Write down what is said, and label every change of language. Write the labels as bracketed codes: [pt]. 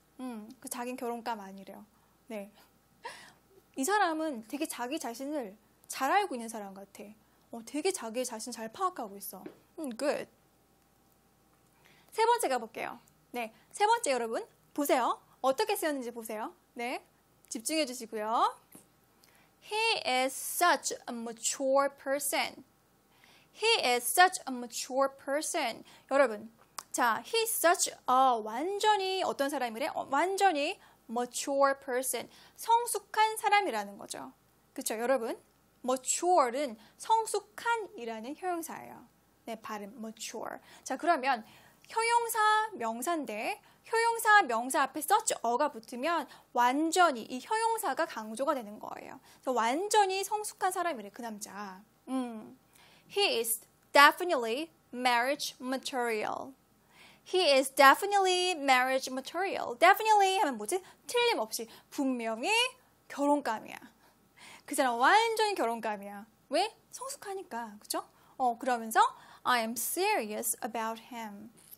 [ko] 그 자기는 결혼감 아니래요. 네, 이 사람은 되게 자기 자신을 잘 알고 있는 사람 같아. 되게 자기 자신 잘 파악하고 있어. [en] Good. [ko] 세 번째 가볼게요. 네, 세 번째 여러분 보세요. 어떻게 쓰였는지 보세요. 네, 집중해 주시고요. [en] He is such a mature person. He is such a mature person. [ko] 여러분, 자, [en] he's such a [ko] 완전히 어떤 사람이래? 완전히 [en] mature person, [ko] 성숙한 사람이라는 거죠. 그렇죠, 여러분? mature는 성숙한이라는 형용사예요. 네, 발음 mature. 자, 그러면 형용사 명사인데 형용사 명사 앞에 such a가 붙으면 완전히 이 형용사가 강조가 되는 거예요. 그래서 완전히 성숙한 사람이래 그 남자. [en] He is definitely marriage material. He is definitely marriage material. [ko] Definitely 하면 뭐지? 틀림없이 분명히 결혼감이야. 그 사람 완전히 결혼감이야. 왜? 성숙하니까. 그죠? 그러면서 [en] I am serious about him.